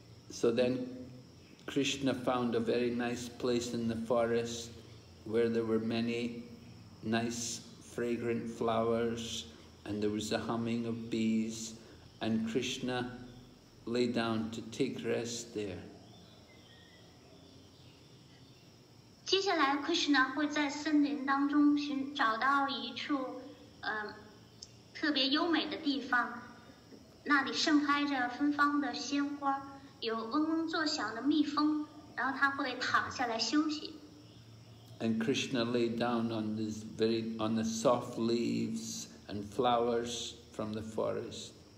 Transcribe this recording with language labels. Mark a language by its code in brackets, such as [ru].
[en] So then Krishna found a very nice place in the forest where there were many nice fragrant flowers and there was a humming of bees, and Krishna lay down to take rest there. [zh] 接下来 Krishna 会在森林当中找到一处特别优美的地方，那里盛开着芬芳的鲜花。 [en] And Krishna lay down on this very on the soft leaves and flowers from the forest.